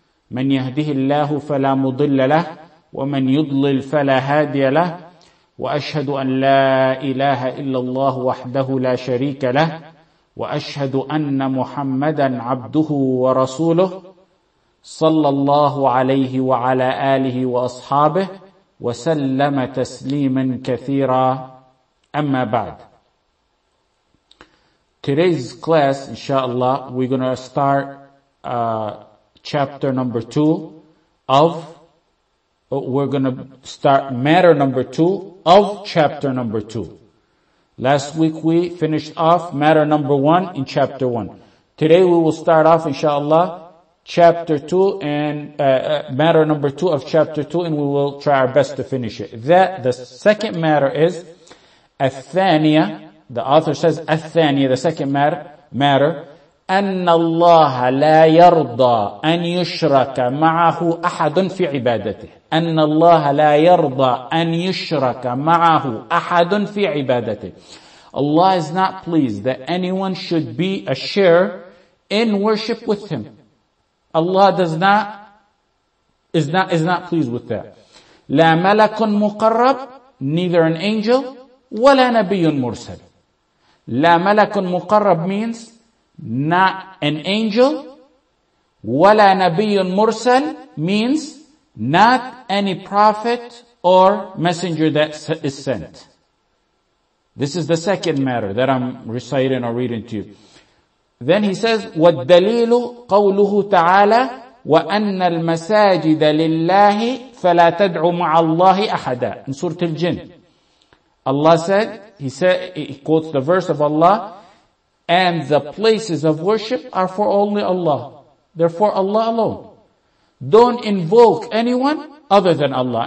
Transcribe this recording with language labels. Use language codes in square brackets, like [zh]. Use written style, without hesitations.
[ar] من يهده الله فلا مضل له ومن يضلل فلا هادي له، وأشهد أن لا إله إلا الله وحده لا شريك له، وأشهد أن محمدا عبده ورسوله صلى الله عليه وعلى آله وأصحابه وسلم تسليما كثيرا، أما بعد. [en] Today's class, inshallah, we're going to start chapter number two of, we're going to start matter number two of chapter number two. Last week we finished off matter number one in chapter one. Today we will start off, inshallah, chapter 2 and matter number 2 of chapter 2, and we will try our best to finish it. That the second matter is [ar] الثانية. [en] The author says [ar] الثانية, [en] the second matter, [ar] أن الله لا يرضى أن يشرك معه أحد في عبادته. أن الله لا يرضى أن يشرك معه أحد في عبادته. [en] Allah is not pleased that anyone should be a share in worship with him. Allah is not pleased with that. [ar] لا ملك مقرب, [en] neither an angel, [ar] ولا نبي مرسل. لا ملك مقرب [en] means not an angel, [ar] ولا نبي مرسل [en] means not any prophet or messenger that is sent. This is the second matter that I'm reciting or reading to you. Then he says, [ar] وَالدَّلِيلُ قَوْلُهُ تَعَالَى وَأَنَّ الْمَسَاجِدَ لِلَّهِ فَلَا تَدْعُ مَعَ اللَّهِ أَحَدًا. [en] In Surah Al-Jinn, Allah said, he quotes the verse of Allah, and the places of worship are for only Allah. Therefore, Allah alone. Don't invoke anyone other than Allah.